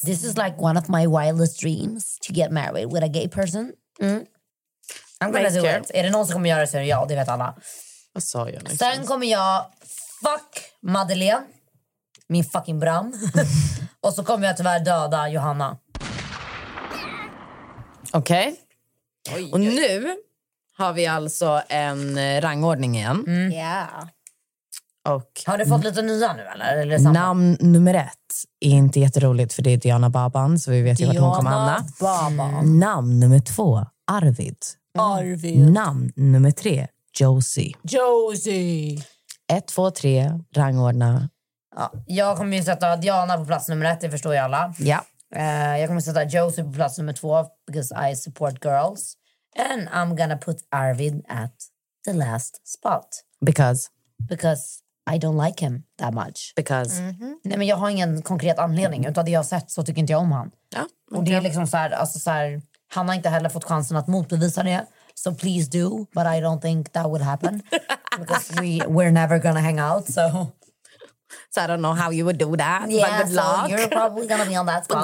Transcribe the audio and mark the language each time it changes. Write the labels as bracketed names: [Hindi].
[English] This is like one of my wildest dreams, to get married with a gay person. I'm gonna do it. [Swedish] Är det någon som kommer göra det så är det jag, det vet alla. Vad sa jag? Sen kommer jag fuck Madeleine, min fucking bram. Och så kommer jag tyvärr döda Johanna. Okej. Okay. Och nu har vi alltså en rangordning igen. Och har du fått lite nya nu eller samma? Namn nummer ett är inte jätteroligt, för det är Diana Baban, så vi vet ju vart hon kommer hamna. Namn nummer två, Arvid. Namn nummer tre, Josie. 1, 2, 3, rangordna. Ja, jag kommer ju sätta Diana på plats nummer ett, det förstår ju alla. Ja. Jag kommer sätta Josie på plats nummer två, [English] because I support girls. And I'm gonna put Arvid at the last spot. Because I don't like him that much. Because. [Swedish] Nej, men jag har ingen konkret anledning. Utan det jag har sett så tycker inte jag om han. Ja, okay. Och det är liksom så här, alltså så här, han har inte heller fått chansen att motbevisa det. [English] So please do, but I don't think that would happen. Because we're never gonna hang out, so. So I don't know how you would do that, yeah, but good luck. You're probably gonna be on that spot.